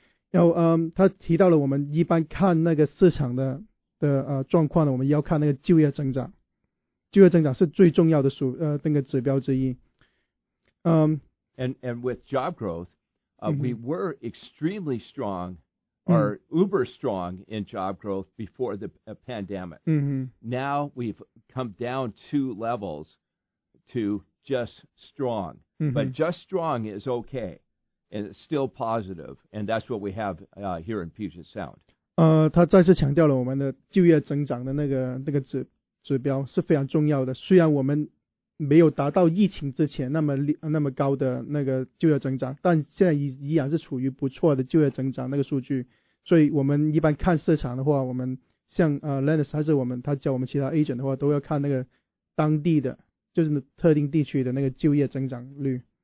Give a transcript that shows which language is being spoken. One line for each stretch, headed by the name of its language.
Chinese: 然后他提到了我们一般看那个市场的状况呢，我们要看那个就业增长，就业增长是最重要的那个指标之一。
English: And with job growth, we were extremely strong or uber strong in job growth before the pandemic. Now we've come down two levels to just strong. But just strong is okay, and it's still positive, and that's what we have here in Puget Sound.
Chinese: 他再次强调了我们的就业增长的那个指标是非常重要的，虽然我们没有达到疫情之前那么高的那个就业增长，但现在依然是处于不错的就业增长那个数据。所以我们一般看市场的话，我们像Lennis 还是他教我们其他 agent 的话，都要看那个当地的就是特定地区的那个就业增长率。